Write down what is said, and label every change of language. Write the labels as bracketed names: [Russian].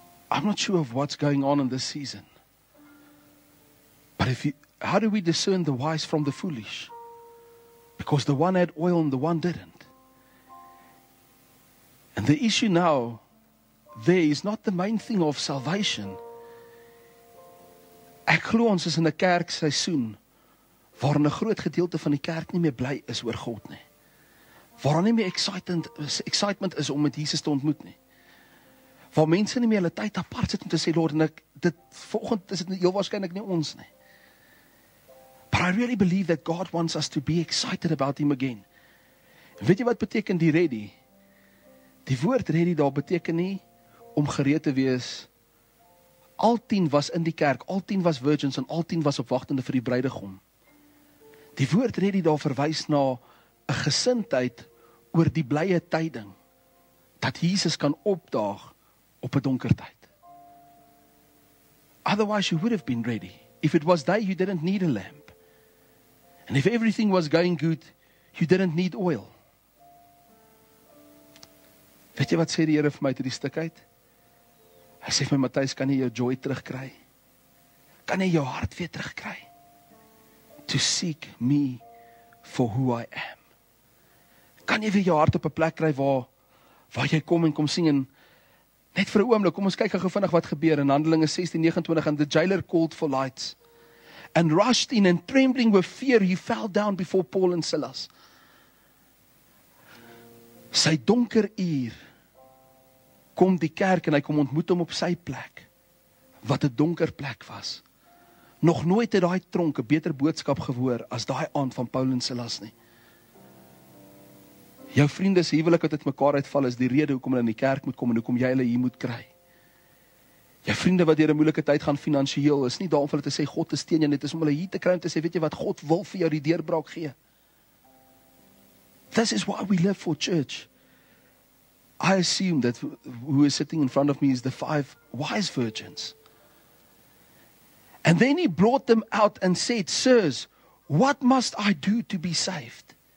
[English] I'm not sure of what's going on in this season. But how do we discern the wise from the foolish? Because the one had oil and the one didn't. And the issue now, there is not the main thing of salvation. [Afrikaans] Ek glo ons is in 'n kerk seisoen waar 'n groot gedeelte van die kerk nie meer bly is oor God nie. Waarom nie meer excitement is om met Jesus te ontmoet nie. Waar mense nie meer hulle tyd apart sit om te sê, Lord, en ek, dit volgend is dit heel waarskynlik nie ons nie. [English] But I really believe that God wants us to be excited about him again. [Afrikaans] Weet jy wat beteken die ready? Die woord ready daar beteken nie om gereed te wees. Al 10 was in die kerk, al 10 was virgins en al 10 was op wagtende vir die bruidegom. Die woord ready daar verwys na 'n gesindheid oor die blye tyding dat Jesus kan opdaag op 'n donker tyd. [English] Otherwise you would have been ready. If it was day, you didn't need a lamp. And if everything was going good, you didn't need oil. [Afrikaans] Weet jy wat sê die Here vir my uit die stuk uit? Hy sê vir my, Matthys, kan jy jou joy terugkry? Kan jy jou hart weer terugkry? [English] To seek me for who I am. [Afrikaans] Kan jy weer jou hart op 'n plek kry waar jy kom en kom sien en net vir 'n oomblik, kom ons kyk gou vinnig wat gebeur in Handelinge 16:29 [English] and the jailer called for lights and rushed in and trembling with fear he fell down before Paul and Silas. [Afrikaans] Sy donker uur kom die kerk en hy kom ontmoet hom op sy plek wat 'n donker plek was. Nog nooit het daai tronk 'n beter boodskap gehoor as daai aand van Paul en Silas nie. Jou vriende se huwelik wat uit mekaar uitval is die rede hoekom hulle in die kerk moet kom en hoekom jy hulle hier moet kry. Jou vriende wat deur 'n moeilike tyd gaan finansiëel is nie daarom vir hulle te sê God is teen jou nie, dit is om hulle hier te kry om te sê weet jy wat God wil vir jou die deurbraak gee. [English] This is why we live for church. I assume that who is sitting in front of me is the five wise virgins. And then he brought them out and said, "Sirs, what must I do to be saved?"